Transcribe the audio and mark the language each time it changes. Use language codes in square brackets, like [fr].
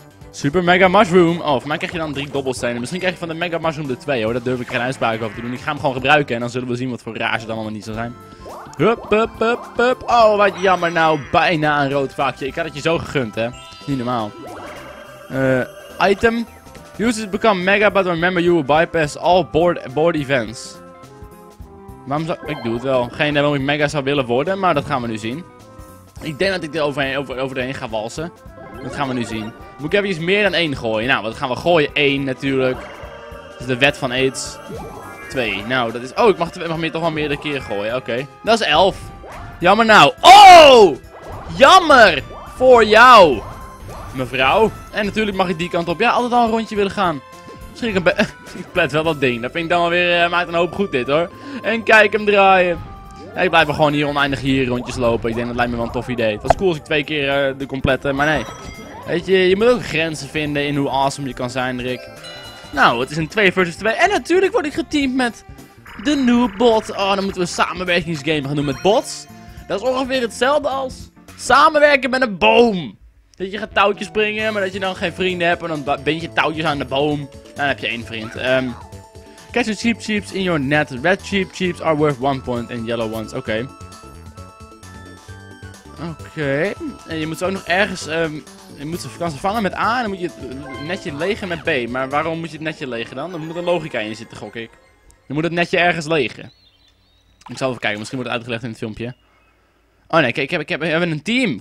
[nl] Super Mega Mushroom. Oh, voor mij krijg je dan 3 dobbelstenen. Misschien krijg je van de Mega Mushroom de 2, hoor. Dat durf ik geen uitspraak over te doen. Ik ga hem gewoon gebruiken en dan zullen we zien wat voor rage dan allemaal niet zal zijn. Hup, hup, hup, hup. Oh, wat jammer nou. Bijna een rood vakje. Ik had het je zo gegund, hè. Niet normaal. Item. [en] Users become mega, but remember you will bypass all board events. [nl] Waarom zou... Ik doe het wel. Geen idee waarom ik mega zou willen worden, maar dat gaan we nu zien. Ik denk dat ik er overheen ga walsen. Dat gaan we nu zien. Moet ik even iets meer dan 1 gooien? Nou, wat gaan we gooien? 1 natuurlijk. Dat is de wet van AIDS. 2. Nou, dat is... Oh, ik mag meer, toch wel meerdere keren gooien. Oké. Okay. Dat is 11. Jammer nou. Oh! Jammer! Voor jou! Mevrouw. En natuurlijk mag ik die kant op. Ja, altijd al een rondje willen gaan. Ik plet wel dat ding. Dat vind ik dan wel weer... maakt een hoop goed dit, hoor. En kijk hem draaien. Ja, ik blijf gewoon hier oneindig hier rondjes lopen. Ik denk dat lijkt me wel een tof idee. Het was cool als ik 2 keer de complete... Maar nee. Weet je, je moet ook grenzen vinden in hoe awesome je kan zijn, Rick. Nou, het is een 2 versus 2. En natuurlijk word ik geteamd met de noob bot. Oh, dan moeten we een samenwerkingsgame gaan doen met bots. Dat is ongeveer hetzelfde als samenwerken met een boom. Dat je gaat touwtjes springen, maar dat je dan geen vrienden hebt. En dan bind je touwtjes aan de boom. En dan heb je 1 vriend. [en] Catch the cheap cheeps in your net. Red cheap cheeps are worth 1 point and yellow ones. [nl] Oké. [en] Okay. [nl] En je moet ze ook nog ergens... je moet ze kansen vangen met A en dan moet je het netje legen met B. Maar waarom moet je het netje legen dan? Er moet een logica in zitten, gok ik. Je moet het netje ergens legen. Ik zal even kijken. Misschien wordt het uitgelegd in het filmpje. Oh nee, kijk, we hebben een team.